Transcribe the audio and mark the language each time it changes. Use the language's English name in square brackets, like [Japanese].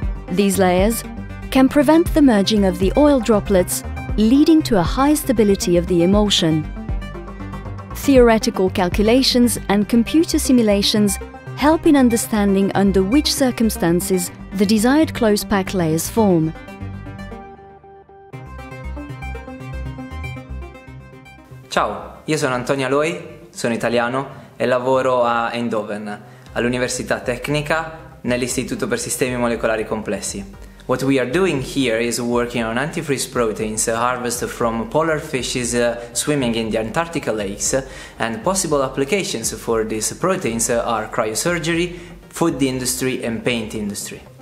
[English] These layers can prevent the merging of the oil droplets, leading to a high stability of the emulsion. Theoretical calculations and computer simulations help in understanding under which circumstances the desired close-packed layers form. [Italian] Ciao, io sono Antonio Aloi, sono italiano e lavoro a Eindhoven, all'Università Tecnica, nell'Istituto per Sistemi Molecolari Complessi. [English] What we are doing here is working on antifreeze proteins harvested from polar fishes swimming in the Antarctic lakes, and possible applications for these proteins are cryosurgery, food industry and paint industry.